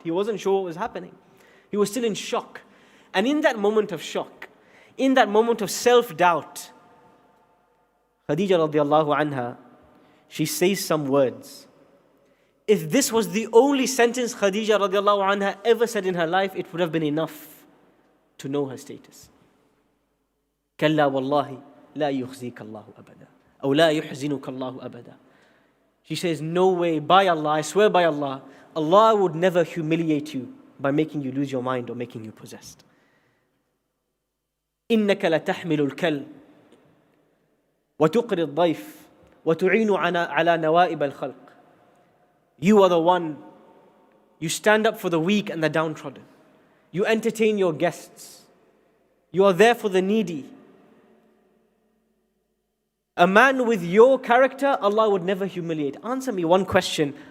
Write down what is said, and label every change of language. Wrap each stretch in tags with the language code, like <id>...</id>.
<en>He wasn't sure what was happening. He was still in shock. And in that moment of shock, in that moment of self-doubt, Khadija radiallahu anha, she says some words. If this was the only sentence Khadija radiallahu anha ever said in her life, it would have been enough to know her status.</en> <ar>Kalla wallahi. لا يخزيك الله أبدا أو لا يحزنك الله أبدا.</ar> <en>She says, no way, by Allah, I swear by Allah, Allah would never humiliate you by making you lose your mind or making you possessed.</en> <ar>إنك لتحمل الكل وتقري الضيف وتعين على نوائب الخلق.</ar> <en>You are the one, you stand up for the weak and the downtrodden, you entertain your guests, you are there for the needy. A man with your character, Allah would never humiliate. Answer me one question.</en>